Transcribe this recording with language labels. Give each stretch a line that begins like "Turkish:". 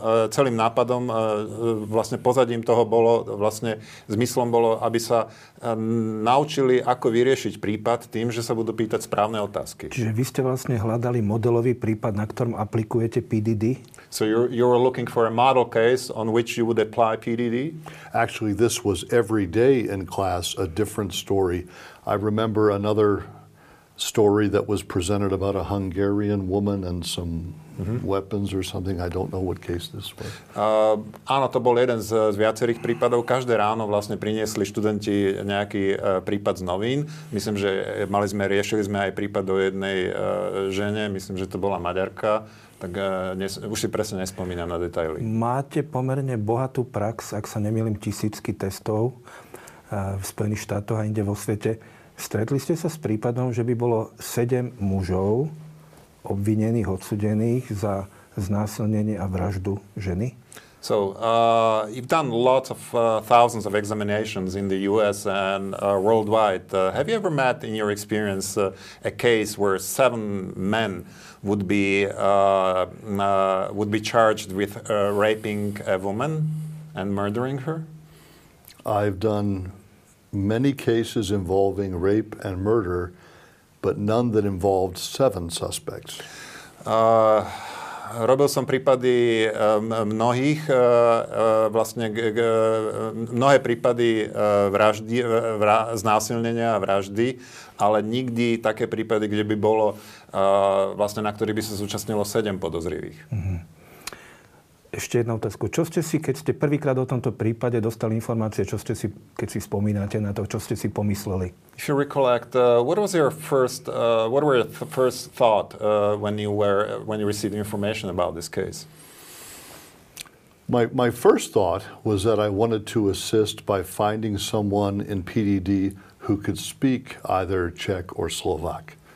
Slovak: Celým nápadom, vlastne pozadím toho bolo, vlastne zmyslom bolo, aby sa naučili, ako vyriešiť prípad tým, že sa budú pýtať správne otázky. Čiže vy ste vlastne hľadali modelový prípad, na ktorom aplikujete PDD?
English: So you were looking for a model case on which you would apply PDD? Actually, this was every day in class a different story. I remember another story that was presented about a Hungarian woman and some weapons or something. I don't know what case this was.
Slovak: Áno, to bol jeden z viacerých prípadov. Každé ráno vlastne priniesli študenti nejaký prípad z novín. Myslím, že riešili sme aj prípad o jednej žene. Myslím, že to bola Maďarka. Tak už si presne nespomínam na detaily. Máte pomerne bohatú prax, ak sa nemýlim, tisícky testov v Spojených štátoch a inde vo svete. Stretli ste sa s prípadom, že by bolo 7 mužov obvinených, odsúdených za znásilnenie a vraždu ženy?
English: So, you've done lots of thousands of examinations in the US and worldwide. Have you ever met in your experience a case where 7 men would be charged with raping a woman and murdering her? I've done many cases involving rape and murder, but none that involved seven suspects.
Slovak: Robil som prípady mnohých, vlastne mnohé prípady vraždy, znásilnenia a vraždy, ale nikdy také prípady, kde by bolo vlastne, na ktorých by sa zúčastnilo 7 podozrivých. Ešte jedna otázka. Čo ste si, keď ste prvýkrát o tomto prípade dostali informácie, čo ste si, keď si spomínate na to, čo ste si pomysleli?
English: If you recollect, what was your first, what were your first thought when you received information about this case? My first thought was that I wanted to assist by finding someone in PDD who could speak either Czech or Slovak.